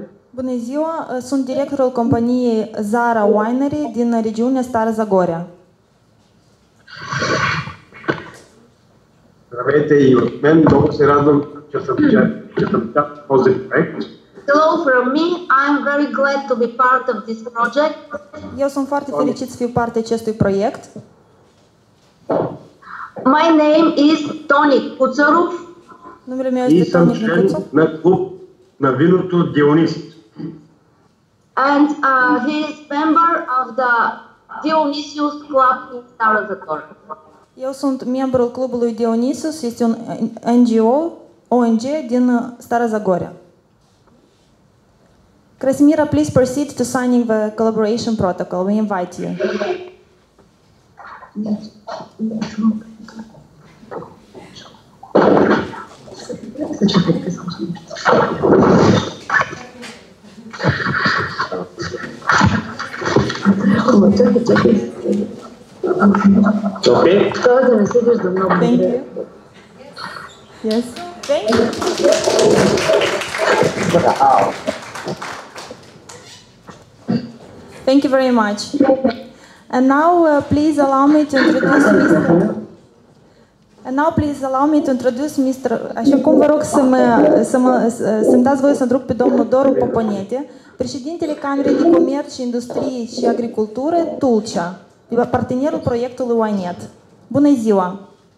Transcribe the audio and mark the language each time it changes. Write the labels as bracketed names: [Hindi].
[Romanian] Bună ziua, sunt directorul companiei Zara Winery din regiunea Stara Zagora. [Bulgarian] Здравейте и от мен. Много се радвам, че съм част от този проект. [English] Hello from me. I'm very glad to be part of this project. [Romanian] Eu sunt foarte fericit să fiu parte acestui proiect. [English] My name is Tony Kutsarov. [Romanian] Numele meu este Tony Kutsarov. [Bulgarian] И съм член на клуб на виното Dionist. [English] And he is member of the Dionysius Club in Stara Zagora. [Romanian] Eu sunt membrul clubului Dionysus, este un NGO, ONG din Stara Zagora. [English] Krasimira, please proceed to signing the collaboration protocol. We invite you. Okay. Thank you. Yes. Thank you. Thank you very much. And now, please allow me to introduce Mr. [Romanian] Așa cum vă rog să-mi dați voie să-mi rog pe domnul Doru Poponete, președintele Camerei de Comerț și Industrie și Agricultură, Tulcea. Partenerul proiectului Wynet. Bună ziua!